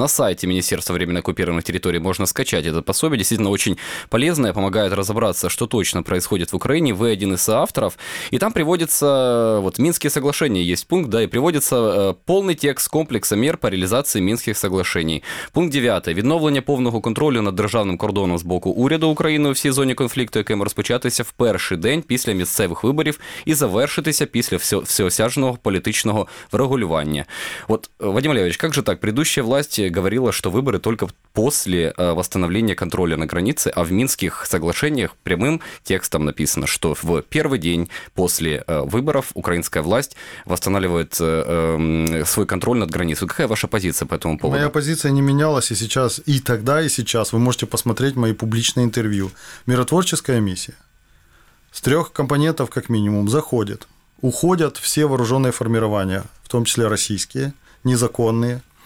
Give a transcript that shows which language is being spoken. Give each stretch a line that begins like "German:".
Russian: На сайте Министерства временно оккупированных территорий можно скачать это пособие. Действительно, очень полезное, помогает разобраться, что точно происходит в Украине. Вы один из авторов. И там приводится, вот, Минские соглашения есть пункт, да, и приводится полный текст комплекса мер по реализации Мінських соглашений. Пункт 9.
Ukrainian: Відновлення повного контролю над державним кордоном з боку уряду України у всій зоні конфлікту, яке має розпочатися в перший день після місцевих виборів і завершитися після всеосяжного політичного врегулювання. От, Вадим Олегович, як же так?
Russian: Предыдущая власть говорила,
Ukrainian: що вибори тільки після встановлення контролю на границі, а в Мінських соглашеннях прямим текстом написано, що в перший день після виборів українська власть встановлює свій контроль
Russian: контроль над границей. Какая ваша позиция по этому поводу? Моя позиция не менялась и сейчас, и тогда, и сейчас. Вы можете посмотреть мои публичные интервью. Миротворческая миссия с трех компонентов, как минимум, заходит. Уходят все вооруженные формирования, в том числе российские, незаконные.